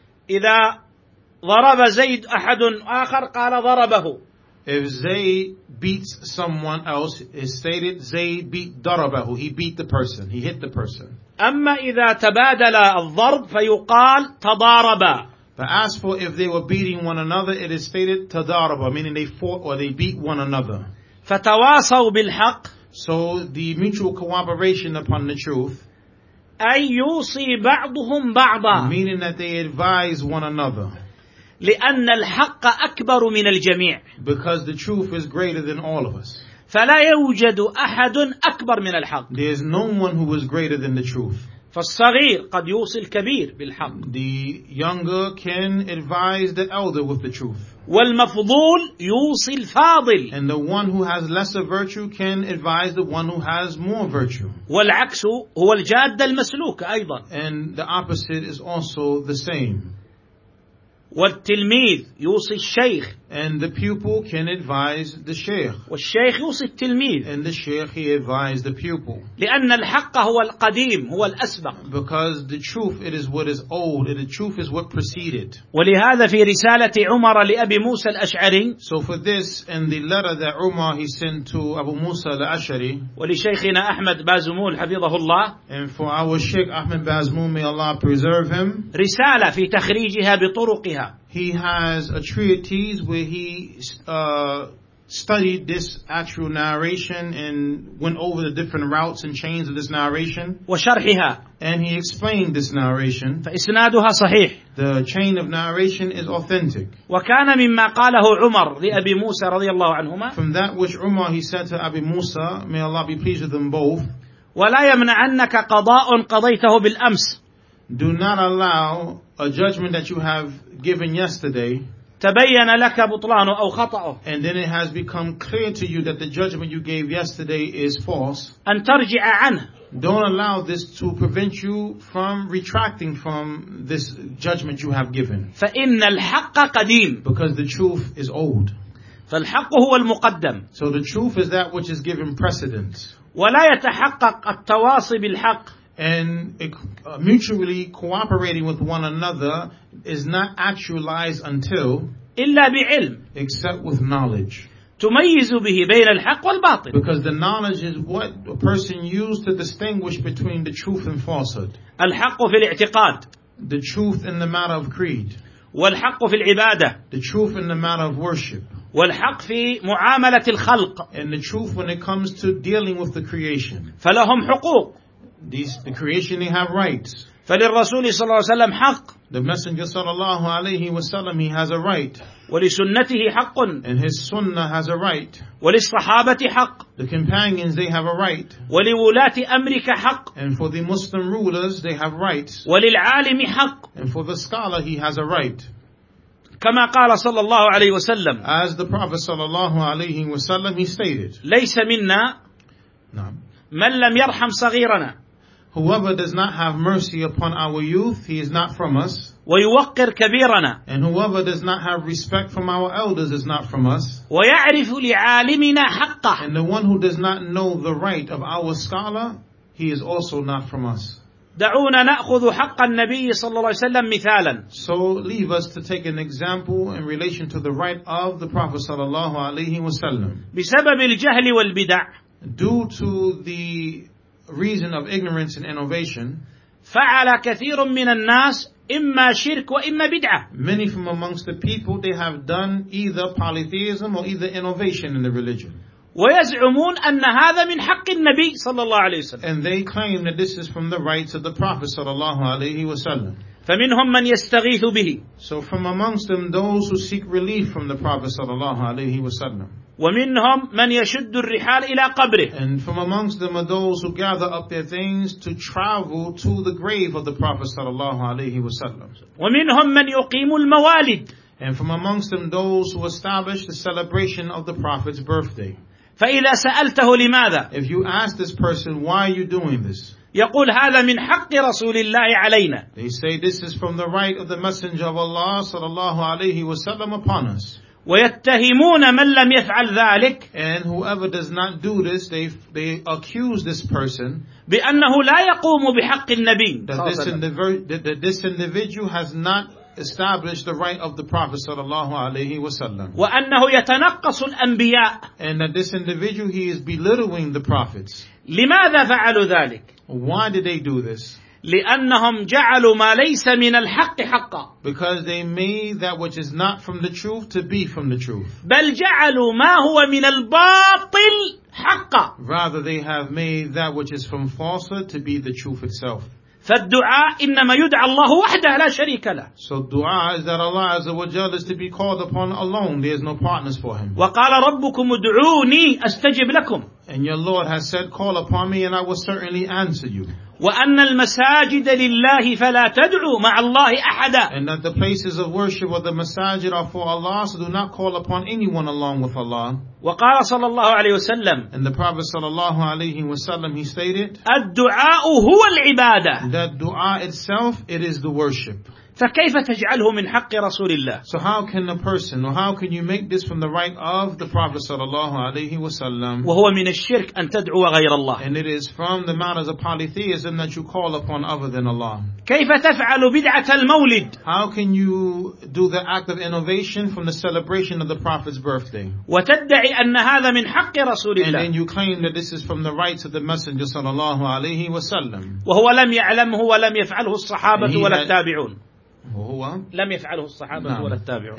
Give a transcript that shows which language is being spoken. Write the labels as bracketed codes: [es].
[ar] إذا ضرب زيد أحد آخر قال ضربه. [en] If Zayd beats someone else, it's stated Zayd beat [ar] ضربه. [en] He beat the person. He hit the person. [ar] أما إذا تبادل الضرب فيقال تضاربا. [en] But as for if they were beating one another, it is stated [ar] تضاربا, [en] meaning they fought or they beat one another. [ar] فتواصوا بالحق. [en] So the mutual cooperation upon the truth. [ar] أي يوصي بعضهم بعضا. [en] Meaning that they advise one another. [ar] لأن الحق أكبر من الجميع. [en] Because the truth is greater than all of us. [ar] فلا يوجد أحد أكبر من الحق. [en] There is no one who is greater than the truth. [ar] فالصغير قد يوصي الكبير بالحق. [en] The younger can advise the elder with the truth. [ar] والمفضول يوصي الفاضل. [en] And the one who has lesser virtue can advise the one who has more virtue. [ar] والعكس هو الجاد المسلوك أيضا. [en] And the opposite is also the same. [ar] والتلميذ يوصي الشيخ. [en] And the pupil can advise the sheikh. [ar] والشيخ يوصي التلميذ. [en] And the sheikh he advises the pupil. [ar] لأن الحق هو القديم هو الأسبق. [en] Because the truth it is what is old and the truth is what preceded. [ar] ولهذا في رسالة عمر لأبي موسى الأشعري. [en] So for this in the letter that Umar he sent to Abu Musa al-Ash'ari. [ar] ولشيخنا أحمد بازمون حفظه الله. [en] And for our Sheikh Ahmed Bazmoun may Allah preserve him. [ar] رسالة في تخريجها بطرقها. [en] He has a treatise where he studied this actual narration and went over the different routes and chains of this narration. [ar] وشرحها. [en] And he explained this narration. [ar] فإسنادها صحيح. [en] The chain of narration is authentic. [ar] وكان مما قاله عمر لأبي موسى رضي الله عنهما. [en] From that which Umar he said to Abi Musa, may Allah be pleased with them both. [ar] ولا يمنعنك قضاء قضيته بالأمس. [en] Do not allow a judgment that you have given yesterday. [ar] تبين لك بطلانه أو خطأه. [en] And then it has become clear to you that the judgment you gave yesterday is false. [ar] أن ترجع عنه. [en] Don't allow this to prevent you from retracting from this judgment you have given. [ar] فإن الحق قديم. [en] Because the truth is old. [ar] فالحق هو المقدم. [en] So the truth is that which is given precedence. [ar] ولا يتحقق التواصي بالحق. [en] And mutually cooperating with one another is not actualized until [ar] إلا بعلم [en] except with knowledge. [ar] تميز به بين الحق والباطل. [en] Because the knowledge is what a person used to distinguish between the truth and falsehood. [ar] الحق في الاعتقاد. [en] The truth in the matter of creed. [ar] والحق في العبادة. [en] The truth in the matter of worship. [ar] والحق في معاملة الخلق. [en] And the truth when it comes to dealing with the creation. [ar] فلهم حقوق. [en] The creation they have rights. [ar] فللرسول صلى الله عليه وسلم حق. [en] The messenger [ar] صلى الله عليه وسلم [en] he has a right. [ar] ولسنته حق. [en] And his sunnah has a right. [ar] وللصحابة حق. [en] The companions they have a right. [ar] ولولاة أمرك حق. [en] And for the Muslim rulers they have rights. [ar] وللعالم حق. [en] And for the scholar he has a right. [ar] كما قال صلى الله عليه وسلم. [en] As the Prophet [ar] صلى الله عليه وسلم [en] he stated. [ar] ليس منا. نعم. من لم يرحم صغيرنا. [en] Whoever does not have mercy upon our youth, he is not from us. [ar] ويوقر كبيرنا. [en] And whoever does not have respect from our elders is not from us. [ar] ويعرف لعالمنا حقه. [en] And the one who does not know the right of our scholar, he is also not from us. [ar] دعونا نأخذ حق النبي صلى الله عليه وسلم مثالا. [en] So leave us to take an example in relation to the right of the Prophet [ar] صلى الله عليه وسلم. بسبب الجهل والبدع. [en] due to the reason of ignorance and innovation, [ar] فعل كثير من الناس إما شرك وإما بدعة. [en] Many from amongst the people, they have done either polytheism or either innovation in the religion. [ar] ويزعمون أن هذا من حق النبي صلى الله عليه وسلم. [en] And they claim that this is from the rights of the Prophet [ar] صلى الله عليه وسلم. فمنهم من يستغيث به. [en] So from amongst them, those who seek relief from the Prophet [ar] صلى الله عليه وسلم. ومنهم من يشد الرحال إلى قبره. [en] And from amongst them are those who gather up their things to travel to the grave of the Prophet [ar] صلى الله عليه وسلم. ومنهم من يقيم الموالد. [en] And from amongst them those who establish the celebration of the Prophet's birthday. [ar] فإذا سألته لماذا؟ [en] If you ask this person, why are you doing this? [ar] يقول هذا من حق رسول الله علينا. [en] They say this is from the right of the Messenger of Allah [ar] صلى الله عليه وسلم [en] upon us. [ar] ويتهمون من لم يفعل ذلك. [en] And whoever does not do this, they accuse this person [ar] بأنه لا يقوم بحق النبي. [en] That this individual has not established the right of the Prophet [ar] صلى الله عليه وسلم. وأنه يتنقص الأنبياء. [en] And that this individual, he is belittling the prophets. [ar] لماذا فعلوا ذلك؟ [en] Why did they do this? [ar] لأنهم جعلوا ما ليس من الحق حقا. [en] Because they made that which is not from the truth to be from the truth. [ar] بل جعلوا ما هو من الباطل حقا. [en] Rather they have made that which is from falsehood to be the truth itself. [ar] فالدعاء إنما يدعى الله وحده لا شريك له. [en] So dua is that Allah Azza wa Jal is to be called upon alone. There is no partners for Him. [ar] وقال ربكم ادعوني أستجب لكم. [en] And your Lord has said, call upon me and I will certainly answer you. [ar] وأن المساجد لله فلا تدعوا مع الله أحدا. [en] And that the places of worship or the masajid are for Allah, so do not call upon anyone along with Allah. [ar] وقال صلى الله عليه وسلم. [en] And the Prophet [ar] صلى الله عليه وسلم, [en] he stated, [ar] الدعاء هو العبادة. [en] That dua itself, it is the worship. [ar] فكيف تجعله من حق رسول الله؟ [en] So how can a person, or how can you make this from the right of the Prophet [ar] صلى الله عليه وسلم؟ وهو من الشرك أن تدعو غير الله. [en] And it is from the matters of polytheism that you call upon other than Allah. [ar] كيف تفعل بدعة المولد؟ [en] How can you do the act of innovation from the celebration of the Prophet's birthday؟ [ar] وتدعي أن هذا من حق رسول الله. [en] And then you claim that this is from the rights of the Messenger [ar] صلى الله عليه وسلم. وهو لم يعلمه ولم يفعله الصحابة ولا التابعون. وهو لم يفعله الصحابة ولا التابعون.